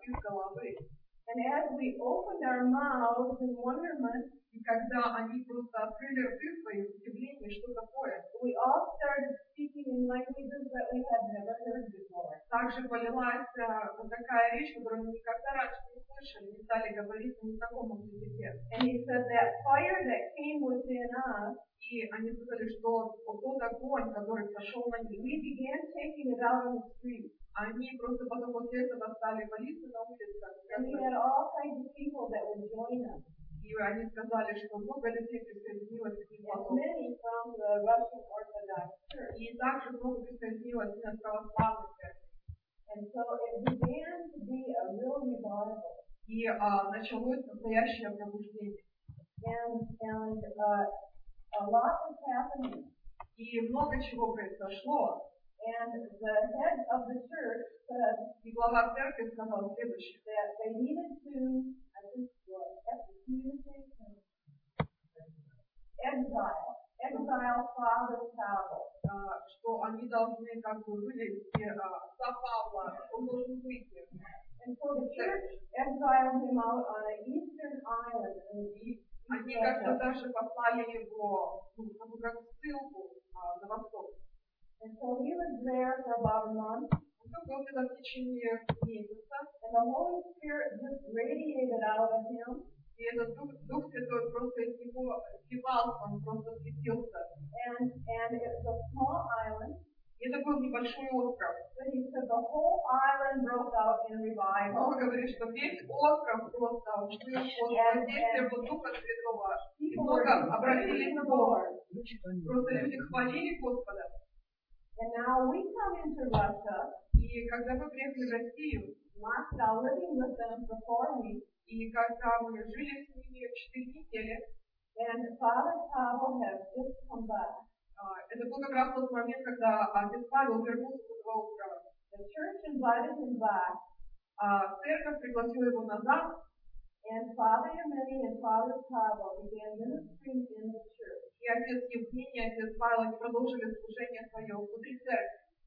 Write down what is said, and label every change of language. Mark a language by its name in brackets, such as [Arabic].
[English] And as we opened our mouths in wonderment, we all started speaking in languages that we had never heard before. [Russian] Также полилась такая речь, которую мы никогда раньше не слышали, не стали говорить на незнакомом языке. [English] And he said that fire that came within us, [Russian] и они сказали, что тот огонь, который сошел на них, [English] we began taking it out on the street. [Russian] Они просто потом после этого стали молиться на улицах. [English] And we had all kinds of people that would join us. [Russian] И они сказали, что много людей присоединилось к Ивану. И также много присоединилось на православных церквях. И началось настоящее пробуждение. И много чего произошло. [English] And the head of the church said, [Russian] слова церкви сказал следующее. [English] That they needed to, I think, excommunication, exile Father Pavel. [Russian] Что они должны как бы вылезти за Павла, он должен выйти. [English] And so the church exiled him out on an eastern island. [Russian] Они как-то даже послали его, как ссылку на восток. [English] And so he was there for about a month. [Russian] Он был там в течение месяца. [English] And the Holy Spirit just radiated out of him. [Russian] И этот Дух Святой просто из него сливал, он просто светился. [English] And it's a small island. [Russian] И это был небольшой остров. [English] So he said the whole island broke out in revival. [Russian] Он говорит, что весь остров просто ушел под воздействие Духа Святого. И много обратились к Богу. Просто люди хвалили Господа. [English] And now we come into Russia. [Russian] И когда мы приехали в Россию, [English] Moscow, living with them for 4 weeks. [Russian] И когда мы жили с ними 4 недели. [English] And Father Pavel has just come back. [Russian] Это был как раз тот момент, когда отец Павел вернулся с этого острова. [English] The church invited him back. [Russian] Церковь пригласила его назад. [English] And Father Yemeni and Father Pavel began ministering in the church. [Russian] И отец Евгений, и отец Павел, они продолжили служение свое внутри церкви.